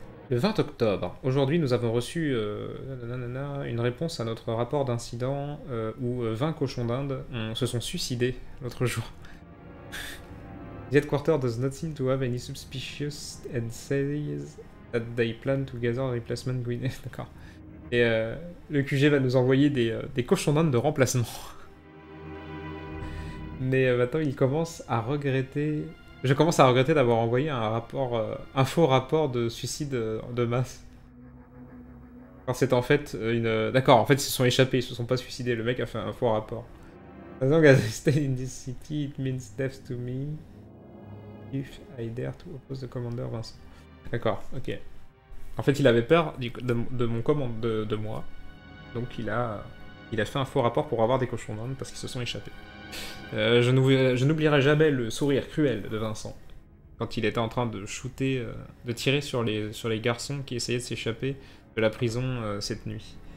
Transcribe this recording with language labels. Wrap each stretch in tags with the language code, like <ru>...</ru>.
<fr>Le 20 octobre, aujourd'hui, nous avons reçu une réponse à notre rapport d'incident où 20 cochons d'Inde se sont suicidés l'autre jour.</fr> <en>The headquarter does not seem to have any suspicious and says that they plan to gather replacement grenades.</en> <fr>D'accord. Et le QG va nous envoyer des cochons d'Inde de remplacement. Mais maintenant il commence à regretter. Je commence à regretter d'avoir envoyé un rapport. Un faux rapport de suicide de masse. Enfin, c'est en fait une. D'accord, en fait ils se sont échappés, ils se sont pas suicidés, le mec a fait un faux rapport.</fr> <en>As long as I stay in this city, it means death to me. If I dare to oppose the commander Vincent.</en> <fr>D'accord, ok. En fait, il avait peur de mon commande, de moi. Donc, il a fait un faux rapport pour avoir des cochons d'Inde parce qu'ils se sont échappés. Je n'oublierai jamais le sourire cruel de Vincent quand il était en train de shooter, de tirer sur les garçons qui essayaient de s'échapper de la prison cette nuit.</fr>